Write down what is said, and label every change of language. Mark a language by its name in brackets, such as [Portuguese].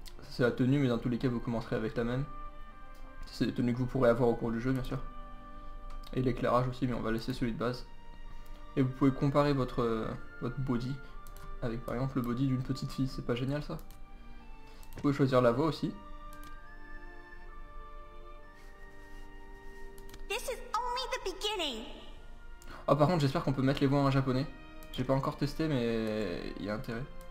[French] C'est la tenue mais dans tous les cas vous commencerez avec la même. C'est des tenues que vous pourrez avoir au cours du jeu bien sûr. Et l'éclairage aussi mais on va laisser celui de base. Et vous pouvez comparer votre body avec par exemple le body d'une petite fille, c'est pas génial ça? Vous pouvez choisir la voix aussi. [English] This is only the beginning. [French] Oh par contre j'espère qu'on peut mettre les voix en japonais. J'ai pas encore testé mais il y a intérêt.